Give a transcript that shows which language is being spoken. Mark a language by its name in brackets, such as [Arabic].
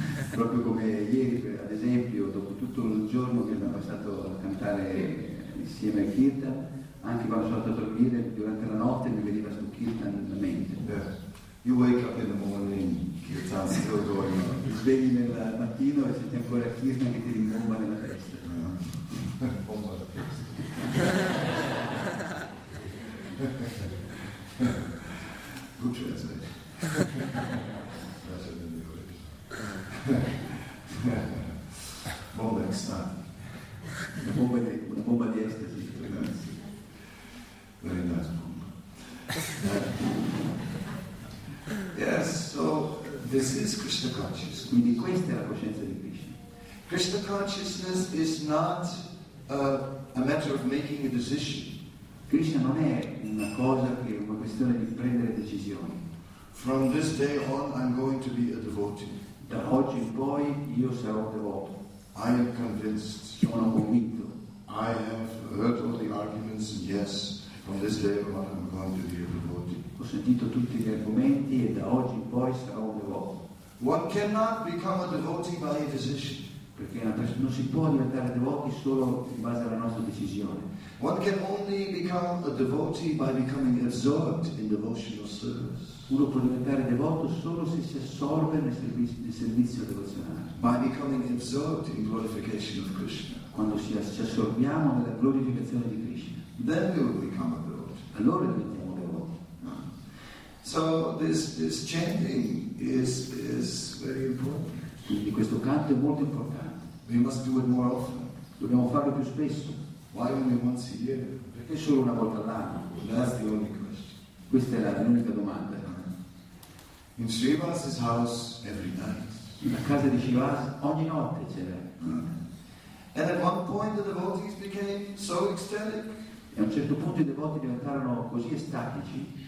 [Italian] Proprio come ieri, ad esempio, dopo tutto il giorno che abbiamo passato a cantare insieme a kirtan, anche quando sono andato a dormire durante la notte mi veniva su kirtan nella mente. [English] You wake up in the morning, kirtan is still going on. [Italian] svegli nel mattino e senti ancora Krishna che ti rimbomba nella testa. Rimbomba la testa. [English] Good translation. [Italian] Faccio del mio ore. Bomba di stanza. Una bomba di estasi. Grazie. [English] Very nice bomba. Yes, so this is Krishna consciousness. [Italian] Quindi questa è la coscienza di Krishna. [English] Krishna consciousness is not a matter of making a decision. [Italian] Krishna non è una cosa che è una questione di prendere decisioni. [English] From this day on, I'm going to be a devotee. [Italian] Da oggi in poi io sarò devoto. [English] I am convinced. [Italian] Sono convinto. [English] I have heard all the arguments. Yes, from this day on, I'm going to be a devotee. [Italian] Ho sentito tutti gli argomenti e da oggi in poi sarò devoto. [English] One cannot become a devotee by a decision. [Italian] Perché una persona non si può diventare devoti solo in base alla nostra decisione. [English] One can only become a devotee by becoming absorbed in devotional service. [Italian] Uno può diventare devoto solo se si assorbe nel servizio devozionale. [English] By becoming absorbed in glorification of Krishna. [Italian] Quando ci assorbiamo nella glorificazione di Krishna. [English] Then we will become a devotee. [Italian] Allora diventiamo devoti. [English] So this chanting is very important. [Italian] Quindi questo canto è molto importante. [English] We must do it more often. [Italian] Dobbiamo farlo più spesso. [English] Why only once a year? [Italian] Perché solo una volta all'anno? [English] That's the only question. [Italian] Questa è l'unica domanda. [English] In Srivas's house every night. [Italian] Nella casa di Srivas ogni notte c'era. [English] And at one point the devotees became so ecstatic. [Italian] E a un certo punto i devoti diventarono così estatici.